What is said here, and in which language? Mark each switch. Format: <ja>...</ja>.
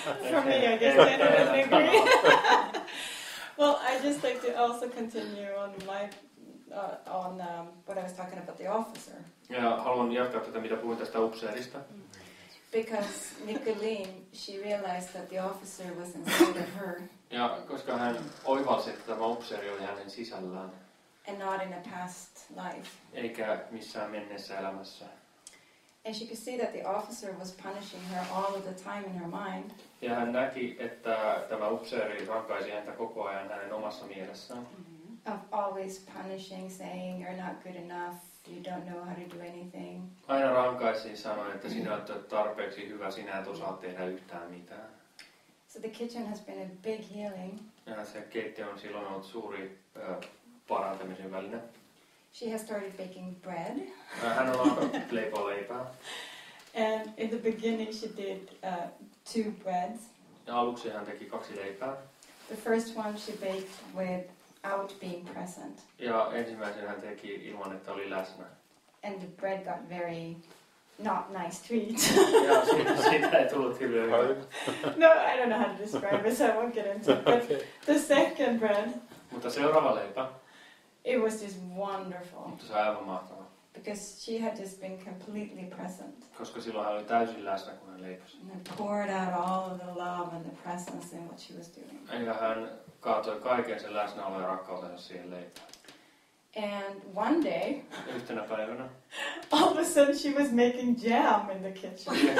<en>For me, I guess I didn't agree. Well, I just like to also continue on my on what I was talking about the officer.</en> <fi>Yeah, haluan jatkaa tätä, mitä puhuin tästä upseerista.</fi> <en>Because Nicolene, she realized that the officer was inside of her.</en> <fi>Ja koska hän oivalsi, että tämä upseeri oli hänen sisällään.</fi> <en>And not in a past life.</en> <fi>Eikä missään menneessä elämässä.</fi> <en>And she could see that the officer was punishing her all of the time in her mind.</en> <fi>Ja hän näki, että tämä upseeri rankaisi häntä koko ajan hänen omassa mielessään. Mm-hmm.</fi> <en>Of always punishing, saying you're not good enough. You don't know how to do anything.</en> <fi>Aina rankaisin sanoin, että sinä olet tarpeeksi hyvä, sinä et osaa tehdä yhtään mitään.</fi> <en>So the kitchen has been a big healing.</en> <fi>Ja se keittiö on silloin ollut suuri parantamisen väline.</fi> <en>She has started baking bread.</en> <fi>Hän on alkanut leipoa leipää.</fi> <en>And in the beginning she did two breads.</en> <fi>Ja aluksi hän teki kaksi leipää.</fi> <en>The first one she baked with out being present.</en> <fi>Ja ensimmäisenä hän teki ilman, että oli läsnä.</fi> <en>And the bread got very not nice to eat.</en> <fi>Ja siitä ei tullut hirveän.</fi> <en>No, I don't know how to describe it, so I won't get into it. But the second bread.</en> <fi>Mutta seuraava leipä.</fi> <en>It was just wonderful.</en> <fi>Mutta se oli aivan mahtavaa.</fi> <en>Because she had just been completely present.</en> <fi>Koska silloin hän oli täysin läsnä, kun hän leipäsi.</fi> <en>And then poured out all of the love and the presence in what she was doing.</en> <fi>Ja hän kaatoi kaiken sen läsnäolon ja rakkautensa siihen leipään.</fi> <en>And one day,</en> <fi>yhtenä päivänä,</fi> <en>all of a sudden she was making jam in the kitchen.</en>